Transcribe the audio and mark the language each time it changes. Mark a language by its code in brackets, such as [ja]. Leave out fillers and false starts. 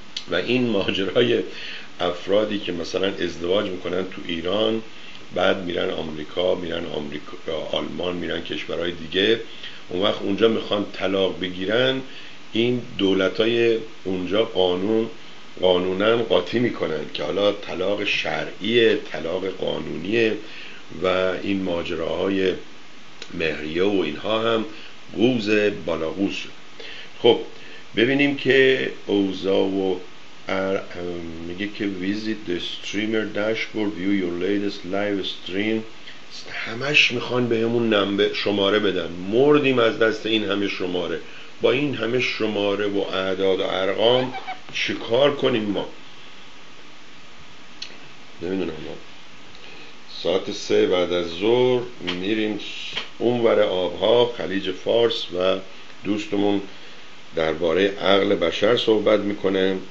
[fa] و این ماجرای افرادی که مثلا ازدواج میکنن تو ایران، بعد میرن آمریکا، میرن آمریکا، آلمان، میرن کشورهای دیگه، اون وقت اونجا میخوان طلاق بگیرن، این دولتای اونجا قانونا قاطی میکنن که حالا طلاق شرعیه، طلاق قانونیه و این ماجراهای مهریه و اینها هم قوز بالا قوز. خب ببینیم که اوزا و میگه که [en] visit the streamer dashboard, view your latest live stream. [fa] همش میخوان به همون شماره بدن، مردیم از دست این همه شماره، با این همه شماره و اعداد و ارقام چیکار کنیم؟ ما نمیدونم. ما ساعت 3 بعد از ظهر میریم اونور آبها، خلیج فارس، و دوستمون درباره عقل بشر صحبت میکنه.